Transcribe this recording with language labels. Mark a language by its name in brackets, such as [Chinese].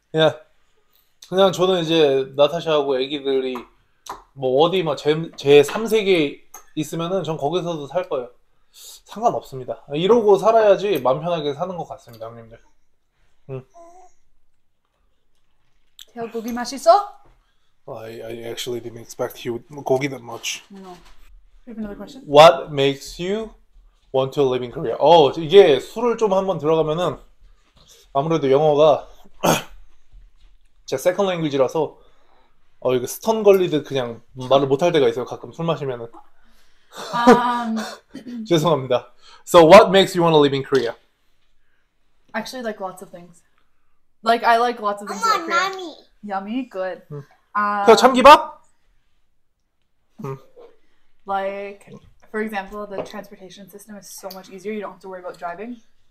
[English] Yeah. [Korean] 그냥 저는 이제 나타샤하고 애기들이 뭐 어디 막 제3세계 있으면은 전 거기서도 살 거예요. 상관없습니다. 이러고 살아야지 마음 편하게 사는 것 같습니다, 형님들. 태국이 맛있어? [English] I actually didn't expect you would go that much. No. Do you have another question? What makes you want to live in Korea? [Korean] 이게 술을 좀 한번 들어가면은 아무래도 영어가 제 세컨 랭귀지라서 이거 스턴 걸리듯 그냥 말을 못할 때가 있어요. 가끔 술 마시면은. 죄송합니다. [English] So what makes you want to live in Korea? Actually, like lots of things. Like I like lots of things about Korea. Come on, mommy. Yummy, good. [Korean] 그 참기밥? [English] Like, for example, the transportation system is so much easier. You don't have to worry about driving.